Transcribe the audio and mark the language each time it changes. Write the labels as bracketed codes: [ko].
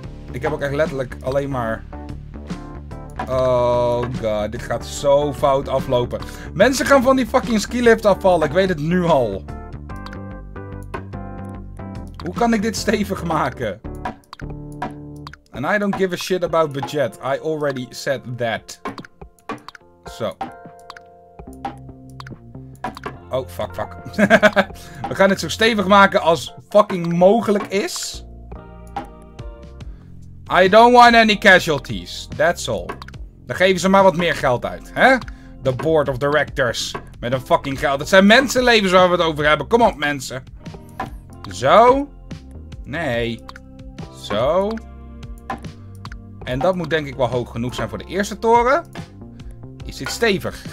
[nl] Ik heb ook echt letterlijk alleen maar... Oh god, dit gaat zo fout aflopen. Mensen gaan van die fucking skilift afvallen, ik weet het nu al. Hoe kan ik dit stevig maken? [en] And I don't give a shit about budget, I already said that. [nl] Zo. Oh, fuck, fuck. We gaan het zo stevig maken als fucking mogelijk is. [en] I don't want any casualties. That's all. [nl] Dan geven ze maar wat meer geld uit. Hè? [en] The board of directors. [nl] Met een fucking geld. Het zijn mensenlevens waar we het over hebben. Kom op, mensen. Zo. Nee. Zo. En dat moet denk ik wel hoog genoeg zijn voor de eerste toren. Is dit stevig?